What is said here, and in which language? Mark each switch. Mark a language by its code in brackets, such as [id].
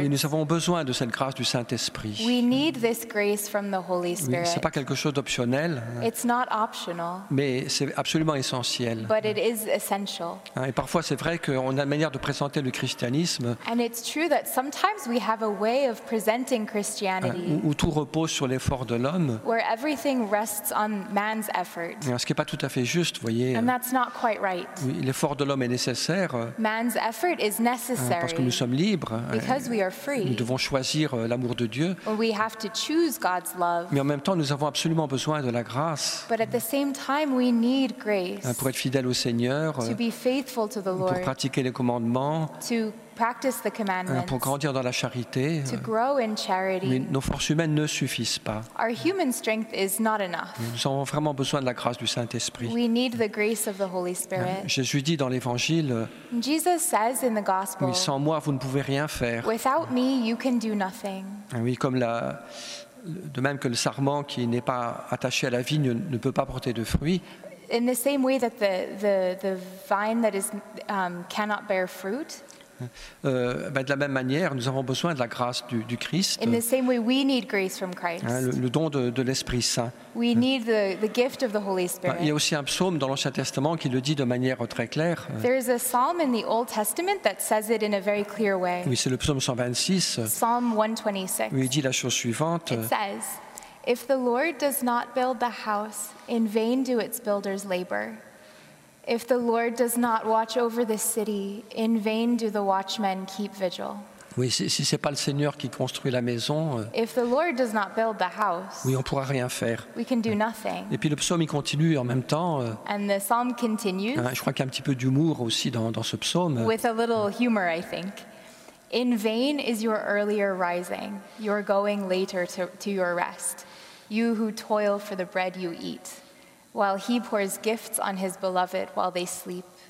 [fr] nous avons besoin de cette grâce du Saint-Esprit. [en] We need this grace from the Holy Spirit. [fr] Oui, c'est pas quelque chose d'optionnel. [en] It's not optional. [fr] Mais c'est absolument essentiel. [en] But it is essential. [fr] Et parfois c'est vrai qu'on a une manière de présenter le christianisme. [en] And it's true that sometimes we have a way of presenting Christianity. [fr] Où tout repose sur l'effort de l'homme. [en] Where everything rests on man's effort. [fr] Ce qui n'est pas tout à fait juste, voyez. [en] And that's not quite right. [fr] L'effort de l'homme est nécessaire. [en] Man's effort is necessary. [fr] Parce que nous sommes libres. [en] Because we are free. [fr] Nous devons choisir l'amour de Dieu. [en] Or we have to choose God's love. [fr] Mais en même temps, nous avons absolument besoin de la grâce. [en] But at the same time, we need grace. [fr] Pour être fidèle au Seigneur. [en] To be faithful to the Lord. [fr] Pour pratiquer les commandements. [en] To practice the commandments, [fr] pour grandir dans la charité, [en] to grow in charity. [fr] Mais nos forces humaines ne suffisent pas. [en] Our human strength is not enough. [fr] Nous avons vraiment besoin de la grâce du Saint-Esprit. [en] We need the grace of the Holy Spirit. [fr] Jésus dit dans l'Évangile, [en] Jesus says in the gospel, [fr] mais sans moi, vous ne pouvez rien faire. [en] Without me, you can do nothing. [fr] Oui, comme la... De même que le sarment qui n'est pas attaché à la vigne ne peut pas porter de fruits. [en] In the same way that the vine that is cannot bear fruit. [fr] De la même manière, nous avons besoin de la grâce du Christ. [en] In the same way, we need grace from Christ. [fr] Le don de l'Esprit Saint. [en] We need the gift of the Holy Spirit. [fr] Il y a aussi un psaume dans l'Ancien Testament qui le dit de manière très claire. [en] There is a psalm in the Old Testament that says it in a very clear way. [fr] Oui, c'est le psaume 126. [en] Psalm 126. [fr] Où il dit la chose suivante. [en] It says, if the Lord does not build the house, in vain do its builders labor. If the Lord does not watch over the city, in vain do the watchmen keep vigil. [fr] Oui, si c'est pas le Seigneur qui construit la maison, [en] if the Lord does not build the house, [fr] oui, on pourra rien faire. [en] We can do nothing. [fr] Et puis le psaume il continue en même temps. [en] And the psalm continues. [fr] Je crois qu'il y a un petit peu d'humour aussi dans ce psaume. [en] With a little humor, I think. In vain is your earlier rising, your going later to your rest. You who toil for the bread you eat. While he pours gifts on his beloved while they sleep.